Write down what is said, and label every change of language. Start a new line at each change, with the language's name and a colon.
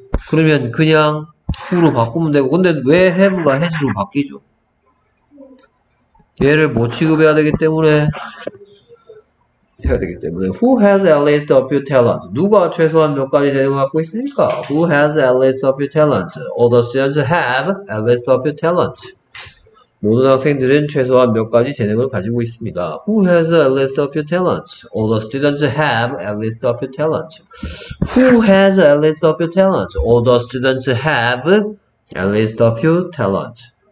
Korean: 그러면 그냥 who로 바꾸면 되고. 근데 왜 have가 has로 바뀌죠? 얘를 뭐 취급해야 되기 때문에 해야 되기 때문에
English: Who has at least a few talents?
Korean: 누가 최소한 몇 가지 재능을 갖고 있습니까?
English: Who has at least a few talents? All the students have at least a few talents.
Korean: 모든 학생들은 최소한 몇 가지 재능을 가지고 있습니다.
English: Who has at least a few talents? All the students have at least a few talents. Who has at least a few talents? All the students have at least a few talents.